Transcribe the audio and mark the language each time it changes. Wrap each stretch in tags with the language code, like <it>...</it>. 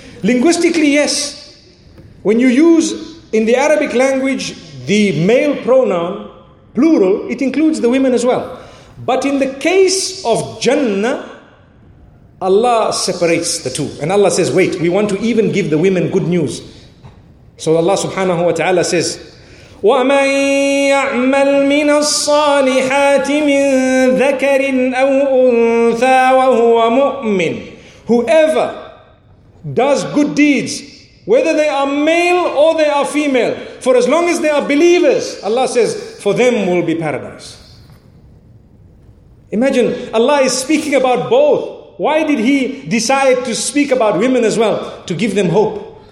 <en>Linguistically, yes. When you use in the Arabic language the male pronoun, plural, it includes the women as well. But in the case of Jannah, Allah separates the two. And Allah says, wait, we want to even give the women good news. So Allah subhanahu wa ta'ala says,</en> <ar>وَمَنْ يَعْمَلْ مِنَ الصَّالِحَاتِ مِنْ ذَكَرٍ أَوْ أُنْثَى وَهُوَ مُؤْمِنٍ.</ar> <en>Whoever does good deeds, whether they are male or they are female, for as long as they are believers, Allah says, for them will be paradise. Imagine, Allah is speaking about both. Why did He decide to speak about women as well? To give them hope.</en>